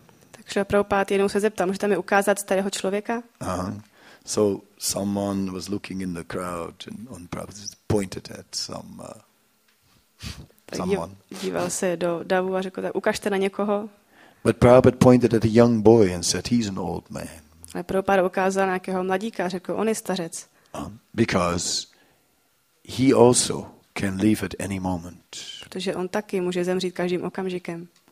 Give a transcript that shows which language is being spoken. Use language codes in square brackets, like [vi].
[cs] Takže Prabhupada jednou se zeptal, můžete mi ukázat starého člověka? [en] So someone was looking in the crowd and Prabhupada pointed at someone. [cs] Díval se do davu a řekl, tak ukažte na někoho. [en] But Prabhupada pointed at a young boy and said, he's an old man. [cs] Ale Prabhupada ukázal na nějakého mladíka a řekl, on je stařec. [en] Because he also can leave at any moment. [cs] Protože on taky může zemřít každým okamžikem.